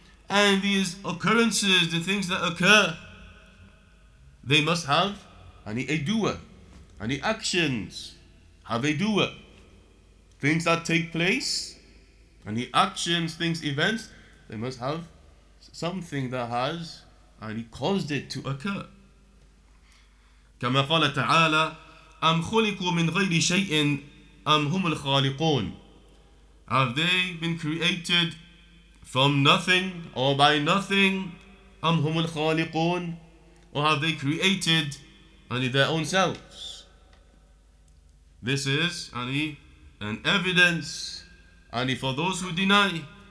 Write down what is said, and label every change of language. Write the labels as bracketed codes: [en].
[en] And these occurrences, the things that occur, they must have a doer. Any actions have a doer. Things that take place, any actions, things, events, they must have something that has caused it to occur. [ar] كما قال تعالى أم خلقوا من غير شيء أم هم الخالقون. [en] Have they been created from nothing or by nothing? [ar] أم هم الخالقون. [en] Or have they created only their own selves? This is an evidence for those who deny.